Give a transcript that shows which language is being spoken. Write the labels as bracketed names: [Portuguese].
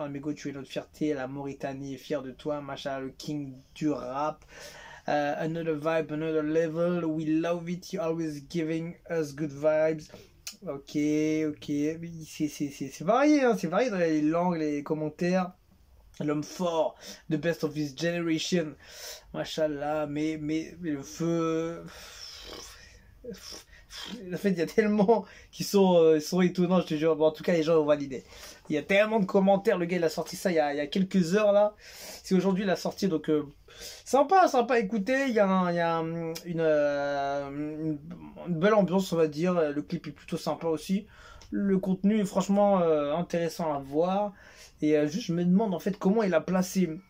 [French] Amigo, tu es notre fierté, la Mauritanie est fière de toi, mashallah, le king du rap. [English] Another vibe, another level. We love it. You always giving us good vibes. [French] Ok, ok. C'est varié, hein. C'est varié dans les langues, les commentaires. [English] L'homme fort, the best of his generation. [French] Mashallah, mais le feu. En fait, il y a tellement qui sont étonnants, je te jure. Bon, en tout cas, les gens ont validé. Il y a tellement de commentaires. Le gars, il a sorti ça il y a quelques heures là. C'est aujourd'hui la sortie, donc. Sympa, sympa à écouter, il y a une belle ambiance on va dire, le clip est plutôt sympa aussi, le contenu est franchement intéressant à voir, et juste je me demande en fait comment il a placé